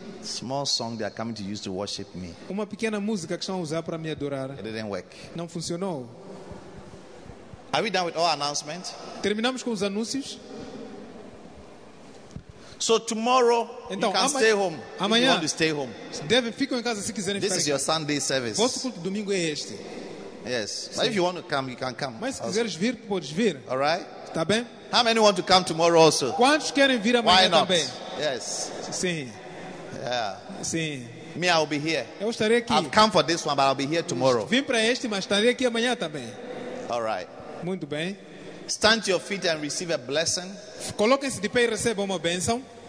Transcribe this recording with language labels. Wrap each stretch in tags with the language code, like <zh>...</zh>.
<en>Small song they are coming to use to worship me.</en> <pt>Uma pequena música que estão a usar para me adorar.</pt> <en>It didn't work.</en> <pt>Não funcionou.</pt> <en>Are we done with all announcements?</en> <pt>Terminamos com os anúncios.</pt> <en>So tomorrow,</en> <pt>então,</pt> <en>you can stay home.</en> <pt>Amanhã,</pt> <en>if you want to stay home.</en> <pt>Devem ficar em casa se quiserem ficar.</pt> <en>This is your Sunday service.</en> <pt>Vosso culto domingo é este.</pt> <en>Yes. But if you want to come, you can come.</en> <pt>Mas se quiseres vir, podes vir.</pt> <en>All right.</en> <pt>Tá bem?</pt> <en>How many want to come tomorrow also?</en> <pt>Quantos querem vir amanhã também?</pt> <en>Yes.</en> <pt>Sim.</pt> <en>Yeah.</en> <pt>Sim.</pt> <en>Me, I will be here.</en> <pt>Eu estarei aqui.</pt> <en>I've come for this one, but I'll be here tomorrow.</en> <pt>Vim para este, mas estarei aqui amanhã também.</pt> <en>All right.</en> <pt>Muito bem.</pt> <en>Stand to your feet and receive a blessing.</en> <pt>Coloquem-se de pé e recebam uma bênção.</pt>